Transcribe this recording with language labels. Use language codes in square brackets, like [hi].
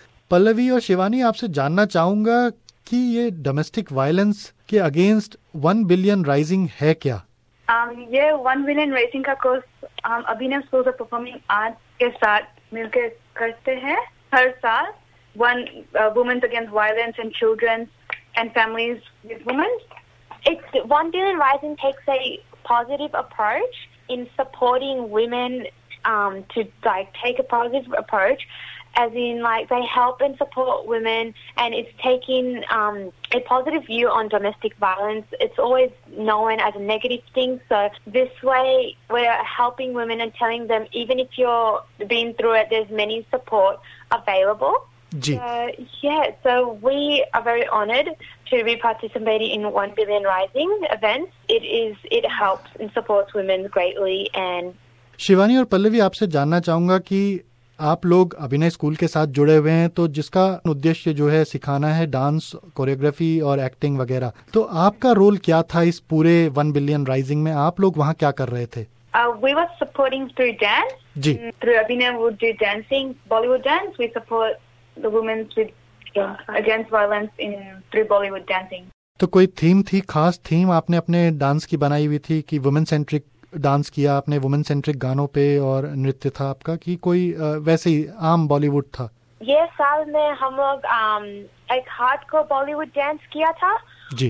[hi] पल्लवी और शिवानी, आपसे जानना चाहूंगा कि ये डोमेस्टिक वायलेंस के अगेंस्ट 1 बिलियन राइजिंग है क्या? ये 1 बिलियन राइजिंग का कोर्स अभी स्कूल ऑफ परफॉर्मिंग आर्ट्स के साथ मिलकर करते हैं हर साल, [en] Women's against violence and children and families with women. It's 1 billion rising takes a positive approach in supporting women to like take a positive approach as in like they help and support women, and it's taking a positive view on domestic violence. It's always known as a negative thing, so this way we're helping women and telling them even if you're been through it, there's many support available. So we are very honored to be participating in 1 Billion Rising events. It helps and supports women greatly. And [hi] Shivani aur Pallavi, aapse janna chahunga ki आप लोग अभिनय school के साथ जुड़े हुए हैं, तो जिसका उद्देश्य जो है सिखाना है डांस, कोरियोग्राफी और एक्टिंग वगैरह, तो आपका रोल क्या था इस पूरे 1 बिलियन राइजिंग में? आप लोग वहाँ क्या कर रहे थे? [en] We were supporting through dance. [hi] Ji, [en] through Abhinay we do dancing, Bollywood dance. We support the women against violence in through Bollywood dancing. [hi] तो कोई थीम थी, खास थीम आपने अपने डांस की बनाई हुई थी कि वुमेन सेंट्रिक डांस किया आपने, वुमेन सेंट्रिक गानों पे और नृत्य था आपका, कि कोई वैसे ही आम बॉलीवुड था? ये साल में हम लोग एक हार्डकोर बॉलीवुड डांस किया था जी,